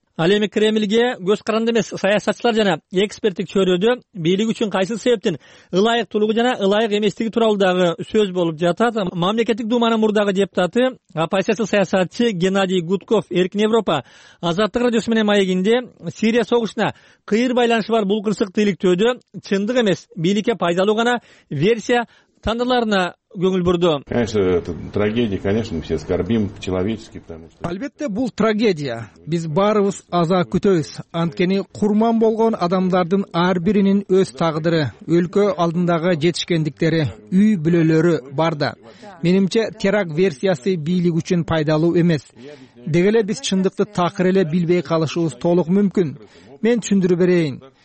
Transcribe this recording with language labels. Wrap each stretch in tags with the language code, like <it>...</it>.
<ky>Ал эми Кремльге көз каранды эмес саясатчылар жана эксперттик чөйрөдө бийлик үчүн кайсы себептин ылайыктуулугу жана ылайык эместиги тууралуу дагы сөз болуп жатат. Мамлекеттик дууманын мурдагы депутаты оппозициячыл саясатчы Геннадий Гудков Эркин Европа Азаттык радиосу менен маегинде Сирия согушуна кыйыр байланышы бар бул кырсыкты иликтөөдө чындык эмес бийликке пайдалуу гана версия тандарларына көңүл бурду.</ky> <ru>Конечно, это трагедия, конечно, мы все скорбим по-человечески, потому что.</ru> <ky>Албетте, бул трагедия. Биз баарыбыз аза күтөбүз. Анткени курман болгон адамдардын ар биринин өз тагдыры, өлкө алдындагы жетишкендиктери, үй бүлөлөрү бар да. Менимче, теракт версиясы бийлик үчүн пайдалуу эмес. дегеле биз чындыкты такыр эле билбей калышыбыз толук мүмкүн. Мен түшүндүрүп берейин.</ky>